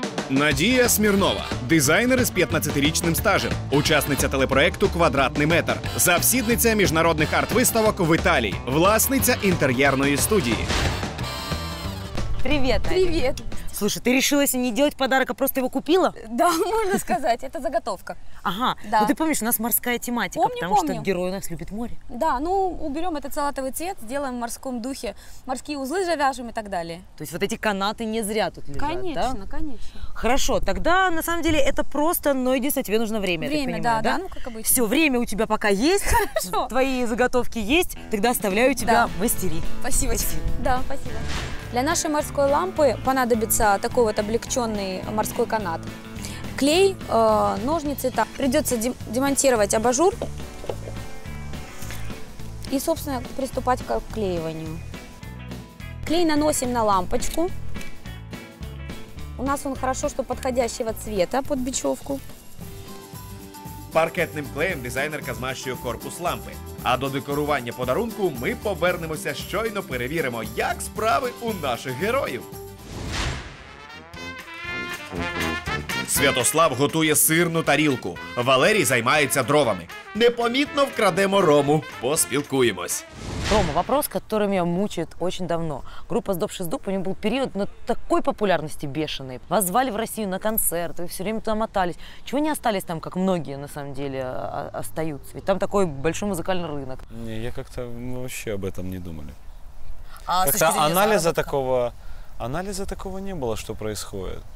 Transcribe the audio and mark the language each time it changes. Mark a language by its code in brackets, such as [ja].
[uk] Надія Смірнова – дизайнер із 15-річним стажем, учасниця телепроекту «Квадратний метр», завсідниця міжнародних арт-виставок в Італії, власниця інтер'єрної студії. Привіт, Надія. Привіт. [ru] Слушай, ты решилась не делать подарок, а просто его купила? Да, можно сказать, это заготовка. Ага, да. Ну ты помнишь, у нас морская тематика, потому что герой у нас любит море. Да, ну уберем этот салатовый цвет, сделаем в морском духе, морские узлы завяжем и так далее. То есть вот эти канаты не зря тут лежат, конечно, да? Конечно, конечно. Хорошо, тогда на самом деле это просто, но единственное, тебе нужно время, время, я так понимаю, да? Время, да, да, ну как обычно. Все, время у тебя пока есть, хорошо. Твои заготовки есть, тогда оставляю тебя мастерить. Спасибо. Да, спасибо. Для нашей морской лампы понадобится такой вот облегченный морской канат. Клей, ножницы. Так. Придется демонтировать абажур и, собственно, приступать к обклеиванию. Клей наносим на лампочку. У нас он хорошо, что подходящего цвета под бечевку. [uk] Паркетним клеєм дизайнерка змащує корпус лампи. А до декорування подарунку ми повернемося, щойно перевіримо, як справи у наших героїв. Святослав готує сирну тарілку. Валерій займається дровами. Непомітно вкрадемо Рому. Поспілкуємось. [ru] Рома, вопрос, который меня мучает очень давно. Группа «Сдобший сдуб», у нее был период на такой популярности бешеной. Вас звали в Россию на концерт, вы все время туда мотались. Чего не остались там, как многие на самом деле остаются? Ведь там такой большой музыкальный рынок. Не, я как-то вообще об этом не думали. Анализа такого не было, что происходит.